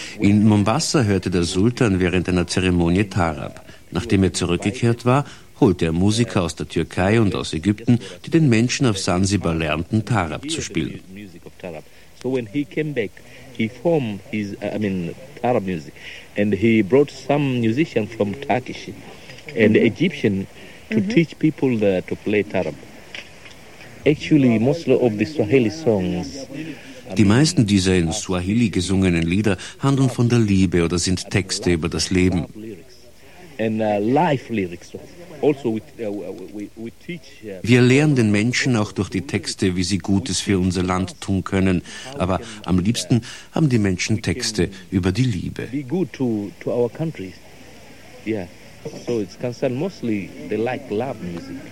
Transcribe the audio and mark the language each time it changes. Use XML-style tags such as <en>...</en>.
<de>In Mombasa hörte der Sultan während einer Zeremonie Tarab. Nachdem er zurückgekehrt war, holte er Musiker aus der Türkei und aus Ägypten, die den Menschen auf Sansibar lernten, Tarab zu spielen.</de> <en>So when he came back, he formed his, Tarab music, and he brought some musician from Turkish and Egyptian to teach people to play Tarab. Actually, most of the Swahili songs.</en> <de>Die meisten dieser in Swahili gesungenen Lieder handeln von der Liebe oder sind Texte über das Leben.</de> <en>And life lyrics. Also, we teach.</en> <de>Wir lehren den Menschen auch durch die Texte, wie sie Gutes für unser Land tun können. Aber am liebsten haben die Menschen Texte über die Liebe.</de> <en>Be good to our country. Yeah. So it's concerned mostly they like love music.</en>